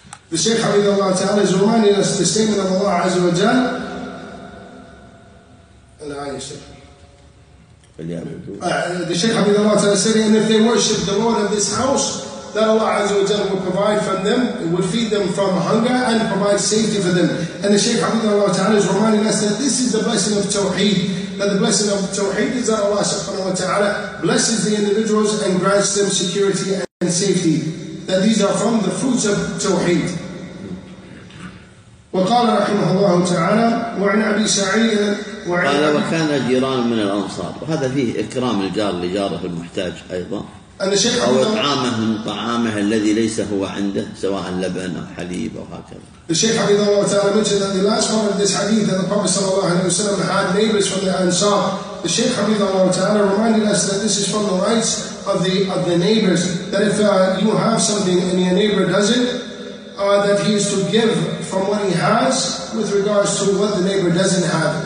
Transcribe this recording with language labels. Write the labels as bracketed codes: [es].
[en] The Shaykh Habibullah Ta'ala is reminding us the statement of Allah Azza wa Jalla and I say the Shaykh Habibullah Ta'ala said, and if they worship the Lord of this house, that Allah Azza wa Jalla will provide from them, will feed them from hunger and provide safety for them. And the Shaykh Habibullah Ta'ala is reminding us that this is the blessing of Tawheed. That the blessing of Tawheed is that Allah subhanahu wa ta'ala blesses the individuals and grants them security and safety. That these are from the fruits of Tawheed. [ar] وقال رحمه الله تعالى وعن أبي سعيد قال وكان جيران من الأنصار وهذا فيه إكرام الجار لجاره المحتاج أيضا أو إطعامه من طعامه الذي ليس هو عنده سواء لبن أو حليب أو هكذا [en] The Shaykh Habibullah Ta'ala Ta'ala mentioned that the last part of this hadith that the Prophet Sallallahu Alaihi Wasallam had neighbors from the Ansar. The Shaykh Habibullah Ta'ala Ta'ala reminded us that this is from the rights of the neighbors. That if you have something and your neighbor does it, that he is to give from what he has with regards to what the neighbor doesn't have.